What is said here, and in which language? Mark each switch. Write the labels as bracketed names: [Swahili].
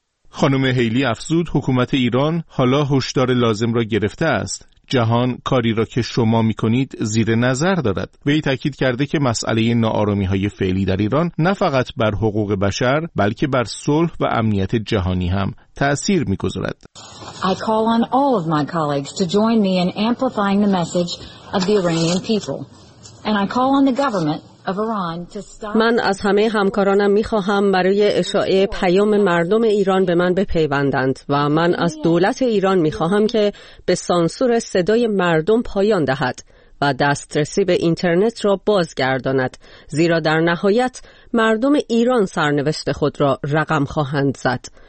[Persian] خانم هیلی افزود حکومت ایران حالا هشدار لازم را گرفته است. جهان کاری را که شما می کنید زیر نظر دارد. وی تاکید کرده که مسئله ناآرامی های فعلی در ایران نه فقط بر حقوق بشر، بلکه بر صلح و امنیت جهانی هم تأثیر می گذارد. [English] I call on all of my colleagues to join me in amplifying the message of the Iranian people. And I call on the government. [Persian] من از همه همکارانم می‌خواهم برای اشاعه پیام مردم ایران به من بپیوندند و من از دولت ایران می‌خواهم که به سانسور صدای مردم پایان دهد و دسترسی به اینترنت را بازگرداند، زیرا در نهایت مردم ایران سرنوشت خود را رقم خواهند زد.